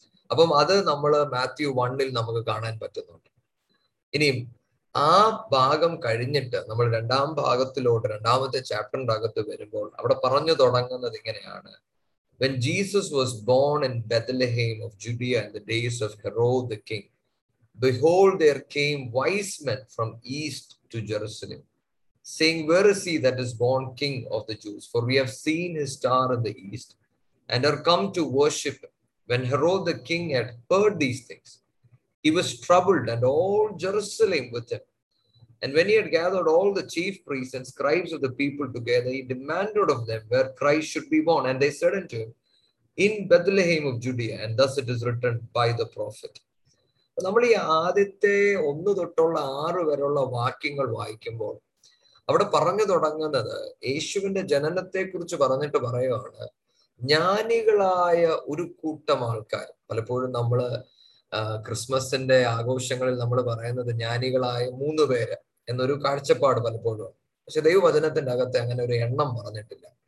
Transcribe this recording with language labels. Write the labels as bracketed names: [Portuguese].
[Malayalam] അപ്പം അത് നമ്മൾ മാത്യു 1 നമുക്ക് കാണാൻ പറ്റുന്നുണ്ട്. ഇനിയും ആ ഭാഗം കഴിഞ്ഞിട്ട് നമ്മൾ രണ്ടാം ഭാഗത്തിലോട്ട്, രണ്ടാമത്തെ ചാപ്റ്ററിൻ്റെ അകത്ത് വരുമ്പോൾ അവിടെ പറഞ്ഞു തുടങ്ങുന്നത് ഇങ്ങനെയാണ്: [English] When Jesus was born in Bethlehem of Judea in the days of Herod the king, Behold, there came wise men from east to Jerusalem, saying, Where is he that is born king of the Jews? For we have seen his star in the east, and are come to worship him. When Herod the king had heard these things, he was troubled, and all Jerusalem with him. And when he had gathered all the chief priests and scribes of the people together, he demanded of them where Christ should be born. And they said unto him, In Bethlehem of Judea, and thus it is written by the prophet. [Malayalam] നമ്മൾ ഈ ആദ്യത്തെ 1 to 6 വാക്യങ്ങൾ വായിക്കുമ്പോൾ അവിടെ പറഞ്ഞു തുടങ്ങുന്നത് യേശുവിന്റെ ജനനത്തെ കുറിച്ച് പറഞ്ഞിട്ട് പറയുകയാണ്, ജ്ഞാനികളായ ഒരു കൂട്ടം ആൾക്കാർ. പലപ്പോഴും നമ്മൾ ക്രിസ്മസിന്റെ ആഘോഷങ്ങളിൽ നമ്മൾ പറയുന്നത് ജ്ഞാനികളായ 3 എന്നൊരു കാഴ്ചപ്പാട് പലപ്പോഴും, പക്ഷെ ദൈവവചനത്തിന്റെ അകത്ത് അങ്ങനെ ഒരു എണ്ണം പറഞ്ഞിട്ടില്ല.